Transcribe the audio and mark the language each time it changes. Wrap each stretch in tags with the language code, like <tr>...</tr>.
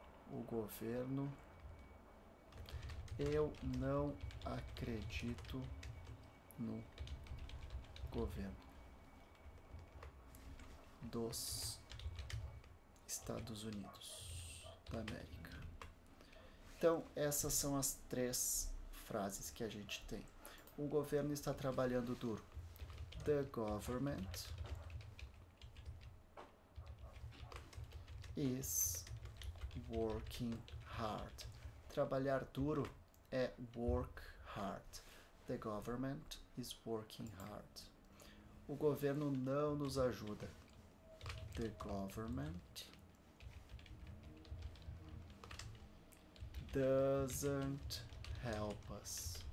<pt>O governo. Eu não acredito no governo dos Estados Unidos da América. Então, essas são as três frases que a gente tem. O governo está trabalhando duro.</pt> <en>The government is working hard.</en> <pt>Trabalhar duro é</pt> <en>work hard. The government is working hard.</en> <pt>O governo não nos ajuda.</pt> <en>The government doesn't help us.</en>